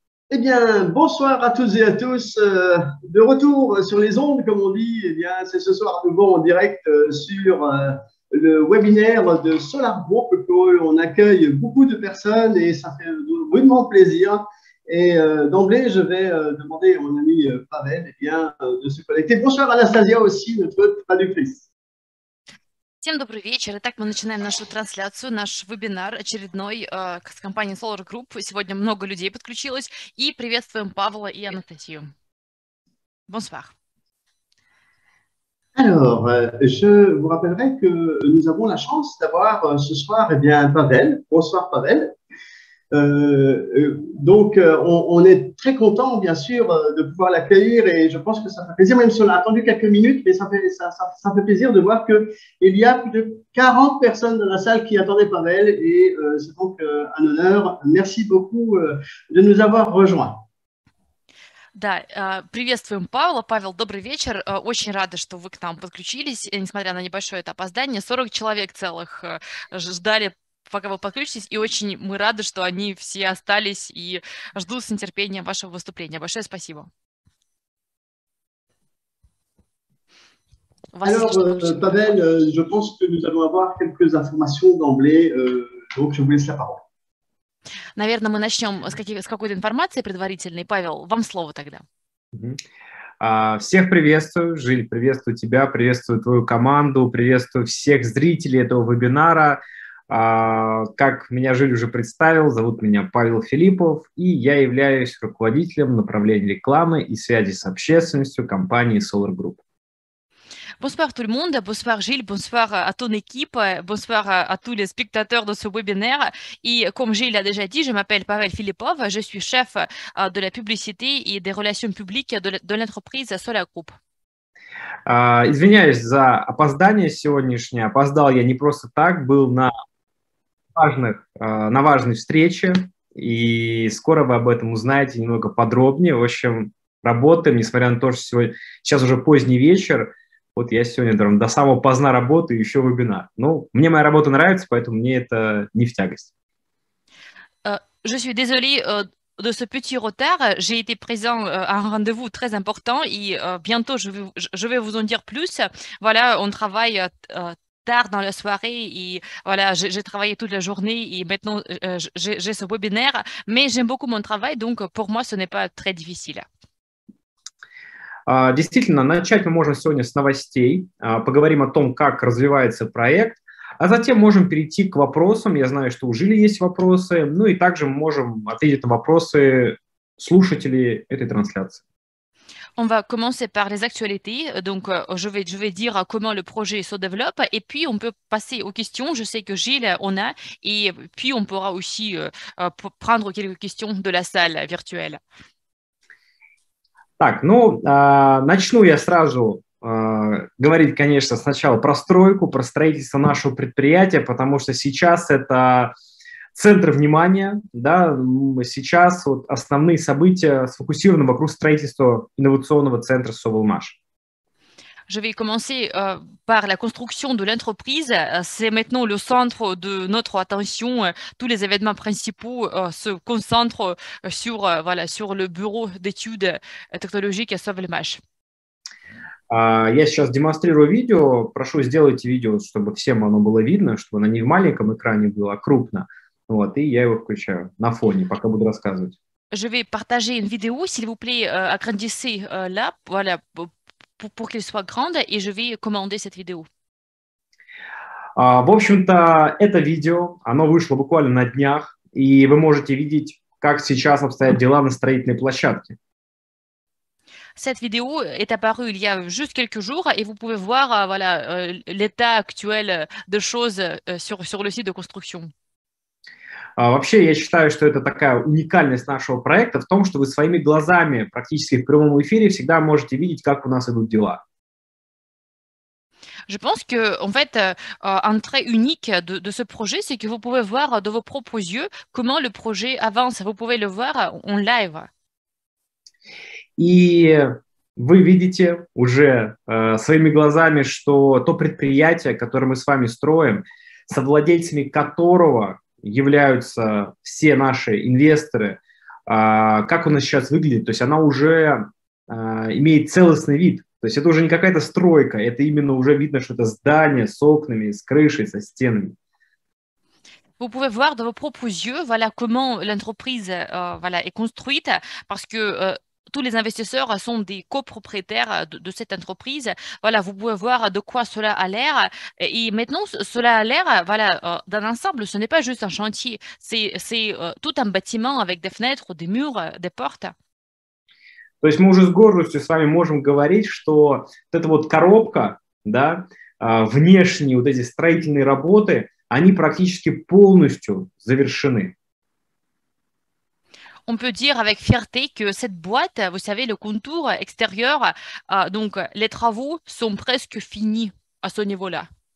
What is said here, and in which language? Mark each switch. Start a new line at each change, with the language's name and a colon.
French: Eh bien, bonsoir à toutes et à tous. De retour sur les ondes, comme on dit, eh bien, c'est ce soir à nouveau en direct sur le webinaire de Solar Group. On accueille beaucoup de personnes et ça fait rudement plaisir. Et d'emblée, je vais demander à mon ami Pavel, eh bien, de se connecter. Bonsoir Anastasia aussi, notre traductrice.
Russian: Всем добрый вечер. Итак, мы начинаем нашу трансляцию, наш вебинар очередной с компанией Solar Group. Сегодня много людей подключилось. И приветствуем Павла и Анастасию.
French: Bonsoir. Alors, je vous rappellerai que nous avons la chance d'avoir ce soir, eh bien, Pavel. Bonsoir, Pavel. On est très content, bien sûr, de pouvoir l'accueillir et je pense que ça fait plaisir, même si on a attendu quelques minutes, mais ça fait plaisir de voir qu'il y a plus de 40 personnes dans la salle qui attendaient Pavel et c'est donc un honneur. Merci beaucoup de nous avoir rejoints.
Russian: Да, приветствуем Павла. Павел, добрый вечер. Очень рада, что вы к нам подключились, несмотря на небольшое это опоздание. 40 человек целых ждали, пока вы подключитесь, и очень мы рады, что они все остались и ждут с нетерпением вашего выступления. Большое спасибо. У вас есть
French: Alors,
Russian: что-то уточнить, Павел?
French: Pavel, je pense que nous allons avoir quelques informations d'emblée, donc je vous laisse la parole.
Russian: Наверное, мы начнем с какой-то информации предварительной. Павел, вам слово тогда. Всех приветствую, Жиль, приветствую тебя, приветствую твою команду, приветствую всех зрителей этого вебинара. Как меня Жиль уже представил, зовут меня Павел Филиппов, и я являюсь руководителем направления рекламы и связи с общественностью компании Solar Group.
French: Bonsoir tout le monde, bonsoir Gilles, bonsoir à ton équipe, bonsoir à tous les spectateurs de ce webinaire. Et comme Gilles l'a déjà dit, je m'appelle Pavel Filipov, je suis chef de la publicité et des relations publiques de l'entreprise Solar Group.
Russian: Извиняюсь за опоздание сегодняшнее. Опоздал я не просто так, был на важной встрече, и скоро вы об этом узнаете немного подробнее. В общем, работаем, несмотря на то, что сейчас уже поздний вечер. Вот я сегодня прям до самого поздна работаю, еще вебинар. Ну, мне моя работа нравится, поэтому мне это не в тягость.
French: Je suis désolée de ce petit retard. J'ai été présent à un rendez-vous très important et bientôt je vais vous en dire plus. Voilà, on travaille tard dans la soirée et voilà, j'ai travaillé toute la journée et maintenant j'ai ce webinaire. Mais j'aime beaucoup mon travail, donc pour moi ce n'est pas très difficile.
Russian: Действительно, начать мы можем сегодня с новостей, поговорим о том, как развивается проект, а затем можем перейти к вопросам. Я знаю, что у Жили есть вопросы, ну и также мы можем ответить на вопросы слушателей этой трансляции.
French: On va commencer par les actualités. Donc, je vais dire comment le projet se développe. Et puis, on peut passer aux questions. Je sais que Gilles en a. Et puis, on pourra aussi prendre quelques questions de la salle virtuelle.
Russian: Так, начну я сразу говорить, конечно, сначала про стройку, про строительство нашего предприятия, потому что сейчас это центр внимания, да, сейчас вот основные события сфокусированы вокруг строительства инновационного центра «Совелмаш».
French: Je vais commencer par la construction de l'entreprise. C'est maintenant le centre de notre attention. Tous les événements principaux se concentrent sur, voilà, sur le bureau d'études technologiques à Sauvelmash.
Russian: Я сейчас демонстрирую видео. Прошу, сделайте видео, чтобы всем оно было видно, чтобы оно не в маленьком экране было, а крупно. Вот, и я его включаю на фоне, пока буду рассказывать.
French: Je vais partager une vidéo, s'il vous plaît, agrandissez là, voilà. Pour qu'elle soit grande, et je vais commander cette vidéo.
Russian: В общем-то, это видео, оно вышло буквально на днях, и вы можете видеть, как сейчас обстоят дела на строительной площадке.
French: Cette vidéo est apparue il y a juste quelques jours, et vous pouvez voir voilà l'état actuel de choses sur le site de construction.
Russian: Вообще, я считаю, что это такая уникальность нашего проекта в том, что вы своими глазами, практически в прямом эфире, всегда можете видеть, как у нас идут дела.
French: Je pense que, en fait, un trait unique de ce projet, c'est que vous pouvez voir de vos propres yeux comment le projet avance. Vous pouvez le voir en live.
Russian: И вы видите уже своими глазами, что то предприятие, которое мы с вами строим, совладельцами которого являются все наши инвесторы, как она сейчас выглядит, то есть она уже имеет целостный вид. То есть это уже не какая-то стройка, это именно уже видно, что это здание с окнами, с крышей, со стенами.
French: Vous pouvez voir de vos propres yeux, voilà comment l'entreprise voilà est construite, parce que tous les investisseurs sont des copropriétaires de cette entreprise. Voilà, vous pouvez voir de quoi cela a l'air. Et maintenant, cela a l'air, voilà, d'un ensemble. Ce n'est pas juste un chantier, c'est tout un bâtiment avec des fenêtres, des murs, des portes.
Russian: То есть мы уже с гордостью с вами можем говорить, что вот эта вот коробка, да, внешние вот эти строительные работы, они практически полностью завершены.
French: On peut dire avec fierté que cette boîte, vous savez, le contour extérieur, donc les travaux sont presque finis à ce niveau-là.